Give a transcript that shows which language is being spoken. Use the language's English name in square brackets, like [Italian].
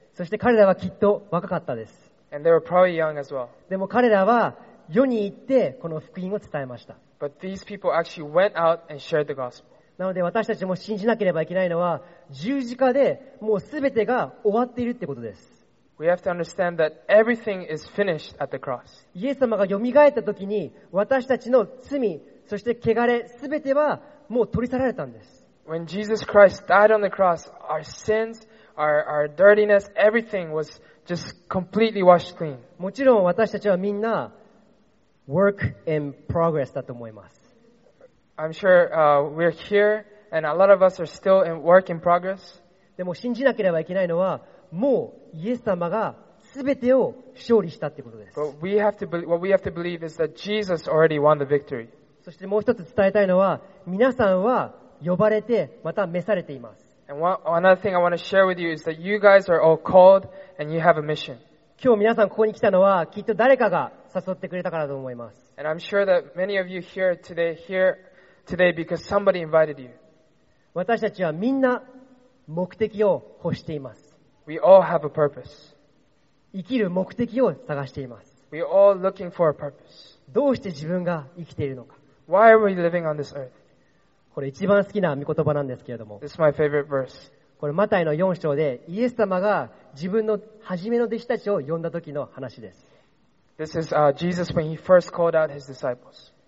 [Japanese] そして彼らはきっと若かったです。 [English] And they were probably young as well. [Japanese] でも彼らは世に行ってこの福音を伝えました。 [English] But these people actually went out and shared the gospel. [Japanese] なので私たちも信じなければいけないのは十字架でもうすべてが終わっているってことです。 [English] We have to understand that everything is finished at the cross. [Japanese] イエス様がよみがえった時に私たちの罪、そして汚れ、すべてはもう取り去られたんです。 [English] When Jesus Christ died on the cross, our sins, our dirtiness, everything was just completely washed clean. [Japanese] もちろん私たちはみんな [English] work in progress [Japanese] だと思います。 [English] I'm sure we're here, and a lot of us are still in work in progress. [Japanese] でも信じなければいけないのは、もうイエス様がすべてを勝利したってことです。 [English] But what we have to believe is that Jesus already won the victory. [Japanese] そしてもう一つ伝えたいのは、皆さんは呼ばれてまた召されています。 [English] And another thing I want to share with you is that you guys are all called and you have a mission. [Japanese] 今日皆さんここに来たのはきっと誰かが誘ってくれたからと思います。 [English] And I'm sure that many of you here today here. Today because somebody invited you. [Japanese] 私たちはみんな目的を欲しています。 [English] We all have a purpose. [Japanese] 生きる目的を探しています。 [English] We all looking for a purpose. [Japanese] どうして自分が生きているのか。 [English] Why are we living on this earth? [Japanese] これ一番好きな御言葉なんですけれども。 [English] This is my favorite verse. [Japanese] これマタイの4章でイエス様が自分の初めの弟子たちを呼んだ時の話です。 [English] This is Jesus when he first called out his disciples.